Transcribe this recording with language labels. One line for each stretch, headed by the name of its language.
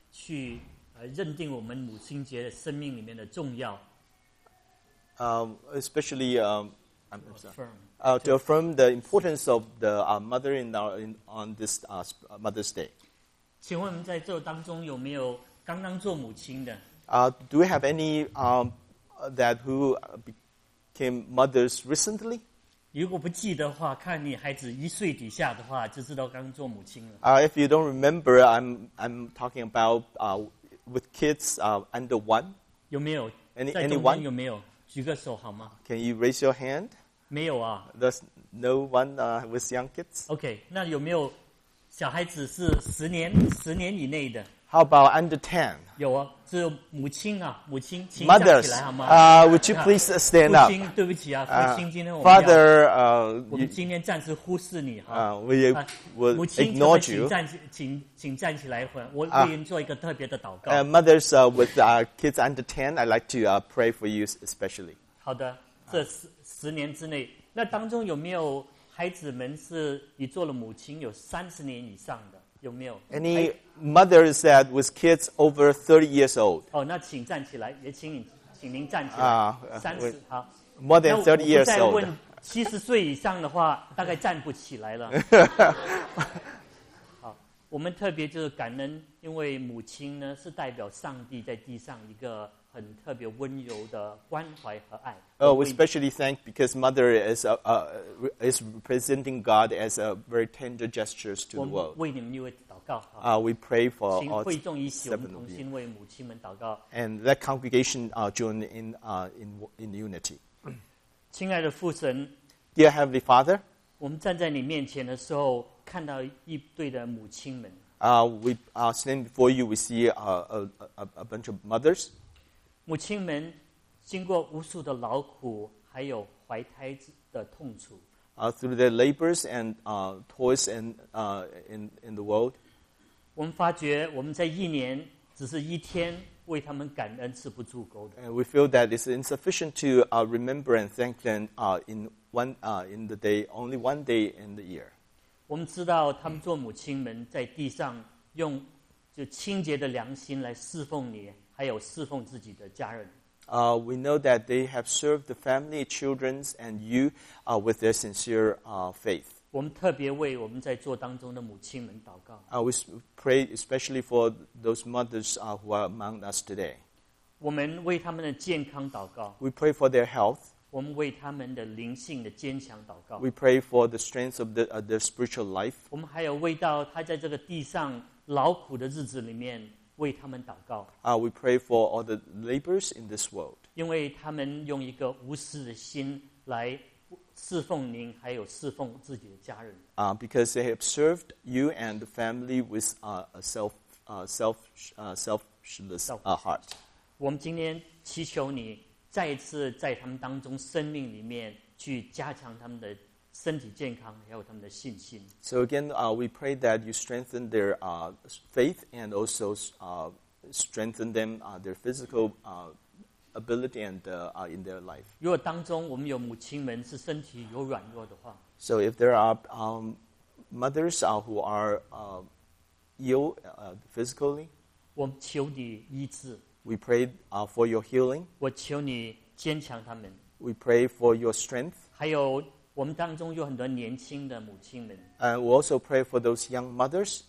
Chinese: 去认定我们母亲节生命里面的重要。
English: Especially, to affirm the importance of the mother in our in, on this Mother's Day.
Chinese: 请问我们在这当中有没有刚刚做母亲的？
English: Do we have any that who became mothers recently?
Chinese: 如果不记得话，看你孩子一岁底下的话，就知道刚做母亲了。
English: If you don't remember, I'm talking about with kids under one.
Chinese: 有没有？
English: Anyone
Chinese: 有没有？举个手好吗？
English: Can you raise your hand?
Chinese: 没有啊。
English: There's no one with young kids.
Chinese: Okay, 那有没有小孩子是十年以内的？
English: How about under 10?
Chinese: 有啊，是母亲啊，母亲。
English: Mothers,
Chinese: 请站起来好吗？
English: Would you please stand up?
Chinese: 父亲，对不起啊，父亲，今天我们。
English: Father,
Chinese: 我们今天暂时忽视你哈。
English: We ignore you.
Chinese: 请站起来，我为您做一个特别的祷告。
English: Mothers with kids under 10, I'd like to pray for you especially.
Chinese: 好的，这十年之内，那当中有没有孩子们是你做了母亲有三十年以上的？有没有
English: any mothers that with kids over 30 years old?
Chinese: 哦，那请站起来，也请您站起来。
English: 30, more than 30 years old.
Chinese: 70岁以上的话，大概站不起来了。好，我们特别就是感恩，因为母亲呢是代表上帝在地上一个很特别温柔的关怀和爱。
English: Oh, we especially thank because mother is representing God as a very tender gestures to the world.
Chinese: 为你们一位祷告。
English: We pray for all
Chinese: 请会众一起，我们同心为母亲们祷告。
English: And that congregation join in unity.
Chinese: 亲爱的父神
English: ，Dear Heavenly Father，
Chinese: 我们站在你面前的时候，看到一对的母亲们。
English: We stand before you. We see a bunch of mothers.
Chinese: 母亲们经过无数的劳苦，还有怀胎的痛楚。
English: Through their labors and toils and in the world，
Chinese: 我们发觉我们在一年只是一天为他们感恩是不足够的。
English: And we feel that it's insufficient to remember and thank them in the day only one day in the year。
Chinese: 我们知道他们做母亲们在地上用就清洁的良心来侍奉你。还有侍奉自己的家人。
English: We know that they have served the family, children, and you with their sincere faith.
Chinese: 我们特别为我们在座当中的母亲们祷告。
English: We pray especially for those mothers who are among us today.
Chinese: 我们为他们的健康祷告。
English: We pray for their health.
Chinese: 我们为他们的灵性的坚强祷告。
English: We pray for the strength of their spiritual life.
Chinese: 我们还有为到他在这个地上劳苦的日子里面。为他们祷告。
English: We pray for all the laborers in this world.
Chinese: 因为他们用一个无私的心来侍奉您，还有侍奉自己的家人。
English: Because they have served you and the family with a selfless heart.
Chinese: 我们今天祈求你再一次在他们当中生命里面去加强他们的身体健康，还有他们的信心。
English: So again, we pray that you strengthen their faith and also strengthen them their physical ability and in their life.
Chinese: 如果当中我们有母亲们是身体有软弱的话
English: ，So if there are mothers who are ill physically,
Chinese: 我求你医治。
English: We pray for your healing.
Chinese: 我求你坚强他们。
English: We pray for your strength.
Chinese: 还有。我们当中有很多年轻的母亲们。
English: We also pray for those young mothers.